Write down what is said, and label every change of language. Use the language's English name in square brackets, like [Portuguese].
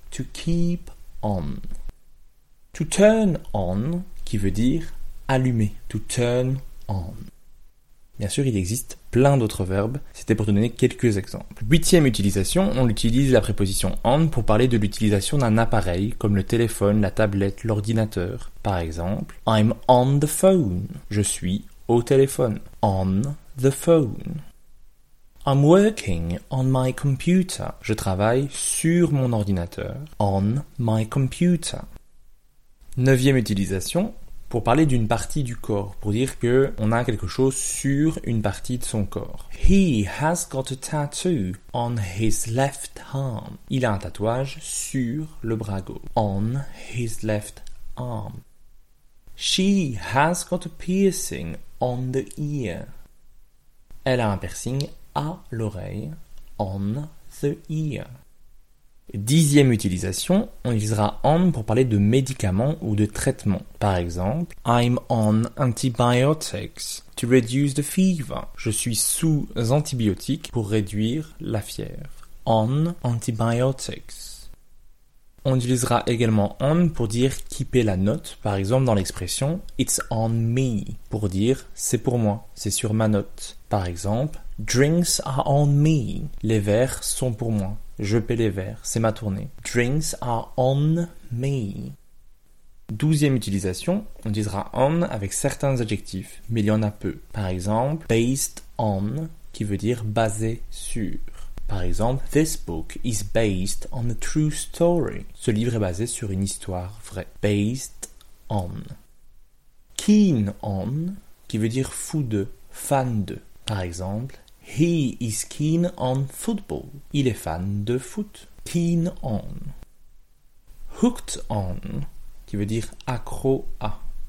[English] To keep on. To turn on, [French] qui veut dire allumer. [English] To turn on. [French] Bien sûr, il existe plein d'autres verbes. C'était pour te donner quelques exemples. Huitième utilisation, on utilise la préposition on pour parler de l'utilisation d'un appareil, comme le téléphone, la tablette, l'ordinateur. Par exemple, [English] I'm on the phone. [French] Je suis au téléphone. [English] On the phone. I'm working on my computer. [French] Je travaille sur mon ordinateur. [English] On my computer. [French] Neuvième utilisation, pour parler d'une partie du corps, pour dire que on a quelque chose sur une partie de son corps. [English] He has got a tattoo on his left arm. [French] Il a un tatouage sur le bras gauche. [English] On his left arm. She has got a piercing on the ear. [French] Elle a un piercing à l'oreille. [English] On the ear. [French] Dixième utilisation, on utilisera on pour parler de médicaments ou de traitements. Par exemple, [English] I'm on antibiotics to reduce the fever. [French] Je suis sous antibiotiques pour réduire la fièvre. [English] On antibiotics. [French] On utilisera également on pour dire keeper la note. Par exemple, dans l'expression [English] it's on me, [French] pour dire c'est pour moi, c'est sur ma note. Par exemple, [English] drinks are on me. [French] Les verres sont pour moi. Je paie les verres, c'est ma tournée. [English] Drinks are on me. [French] Douzième utilisation, on utilisera on avec certains adjectifs, mais il y en a peu. Par exemple, [English] based on, [French] qui veut dire basé sur. Par exemple, [English] this book is based on a true story. [French] Ce livre est basé sur une histoire vraie. [English] Based on. Keen on, [French] qui veut dire fou de, fan de. Par exemple, [English] he is keen on football. [French] Il est fan de foot. [English] Keen on. Hooked on, [French] qui veut dire accro à.